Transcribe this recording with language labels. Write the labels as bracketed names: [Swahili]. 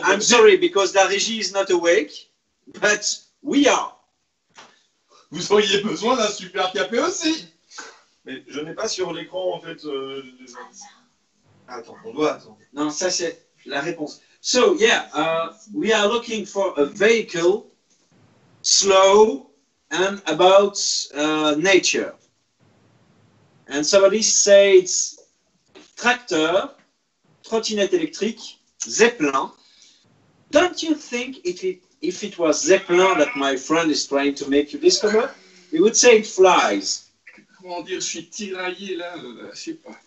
[English] Bon, I'm sorry, because la régie is not awake, but we are. [French] Vous auriez besoin d'un super café aussi. Mais je n'ai pas sur l'écran, en fait, les... Attends, on doit attendre. Non, ça c'est la réponse. [English] So, yeah, we are looking for a vehicle slow and about nature. And somebody says tracteur, trottinette électrique, zeppelin. Don't you think if it was zeppelin that my friend is trying to make you discover, he would say it flies. [French] Comment dire, je suis tiraillé là, je sais pas.